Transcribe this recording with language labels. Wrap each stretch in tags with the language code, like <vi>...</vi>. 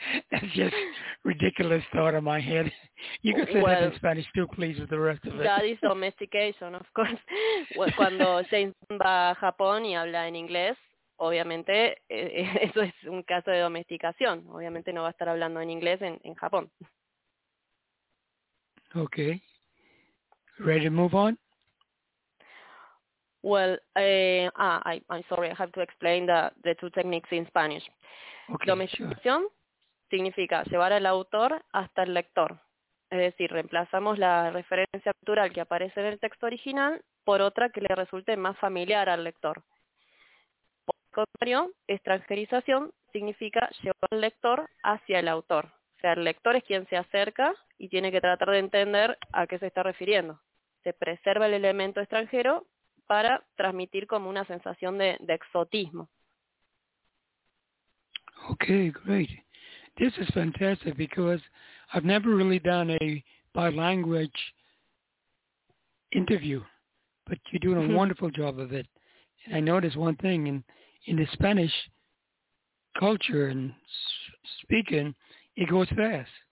<en>That's just ridiculous thought in my head. You can say that in Spanish too, please, with the rest of it. That is domestication, of course.</en> <es>Well, cuando James va a Japón y habla en inglés, obviamente eso es un caso de domesticación. Obviamente no va a estar hablando en inglés en Japón.</es> <en>Okay. Ready to move on? Well, I'm sorry. I have to explain the two techniques in Spanish. Okay, domestication. Sure.</en> <es>Significa llevar al autor hasta el lector. Es decir, reemplazamos la referencia cultural que aparece en el texto original por otra que le resulte más familiar al lector. Por el contrario, extranjerización significa llevar al lector hacia el autor. O sea, el lector es quien se acerca y tiene que tratar de entender a qué se está refiriendo. Se preserva el elemento extranjero para transmitir como una sensación de exotismo.</es> <en>Okay, great. This is fantastic because I've never really done a bilanguage interview, but you're doing a wonderful job of it. And I noticed one thing in the Spanish culture and speaking, it goes fast.</en>